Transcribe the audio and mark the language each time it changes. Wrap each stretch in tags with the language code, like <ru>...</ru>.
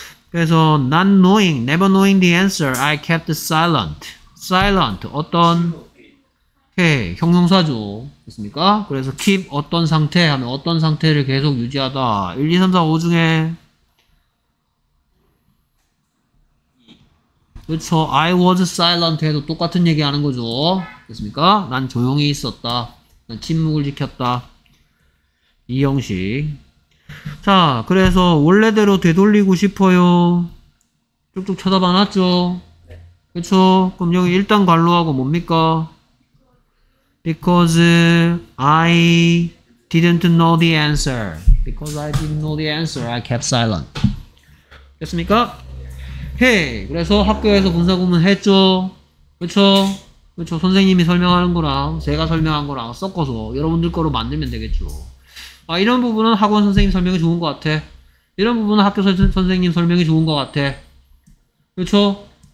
<ko>그래서</ko> <en>not knowing, never knowing the answer, I kept silent.</en> <ko>silent, 어떤? 오케이. 형용사죠. 됐습니까? 그래서 keep 어떤 상태 하면 어떤 상태를 계속 유지하다. 1, 2, 3, 4, 5 중에 그렇죠.</ko> <en>I was silent</en> <ko>해도 똑같은 얘기 하는 거죠. 됐습니까? 난 조용히 있었다. 난 침묵을 지켰다. 이 형식. 자, 그래서 원래대로 되돌리고 싶어요. 쭉쭉 쳐다봐 놨죠. 그렇죠. 그럼 여기 일단 관로하고 뭡니까?</ko> <en>Because I didn't know the answer. Because I didn't know the answer, I kept silent.</en> <ko>됐습니까? 헤이. Hey, 그래서 학교에서 분사구문 했죠. 그렇죠? 그렇죠. 선생님이 설명하는 거랑 제가 설명한 거랑 섞어서 여러분들 거로 만들면 되겠죠. 아, 이런 부분은 학원 선생님 설명이 좋은 것 같아. 이런 부분은 학교 선생님 설명이 좋은 것 같아. 그렇죠?</ko>